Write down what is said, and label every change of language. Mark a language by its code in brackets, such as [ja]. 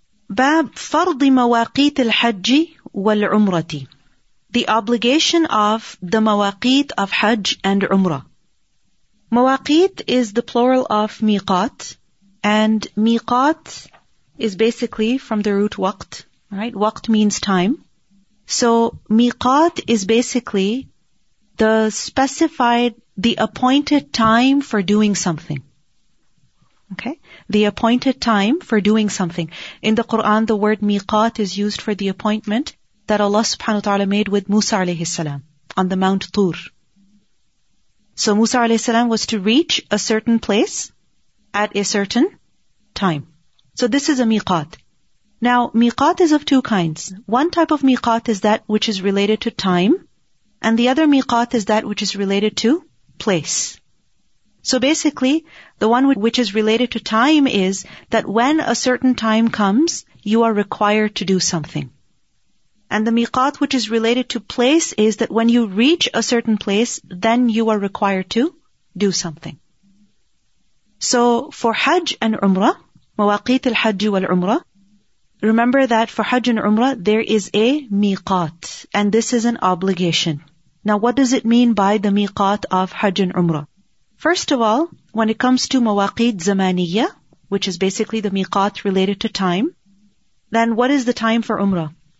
[ar] Bab فرض مواقيت الحج والعمرة. [en] The obligation of the مواقيت of Hajj and Umrah. مواقيت is the plural of ميقات. And miqat is basically from the root waqt, right? Waqt means time. So miqat is basically the appointed time for doing something. Okay? The appointed time for doing something. In the Quran, the word miqat is used for the appointment that Allah subhanahu wa ta'ala made with Musa alayhi salam on the Mount Tur. So Musa alayhi salam was to reach a certain place at a certain time. So this is a miqat. Now, miqat is of two kinds. One type of miqat is that which is related to time, and the other miqat is that which is related to place. So basically, the one which is related to time is that when a certain time comes, you are required to do something. And the miqat which is related to place is that when you reach a certain place, then you are required to do something. So for Hajj and Umrah, [ar] مواقيت الحج والعمرة. [en] Remember that for Hajj and Umrah, there is a miqat, and this is an obligation. Now, what does it mean by the miqat of Hajj and Umrah? First of all, when it comes to مواقيت زمانية, which is basically the miqat related to time, then what is the time for Umrah?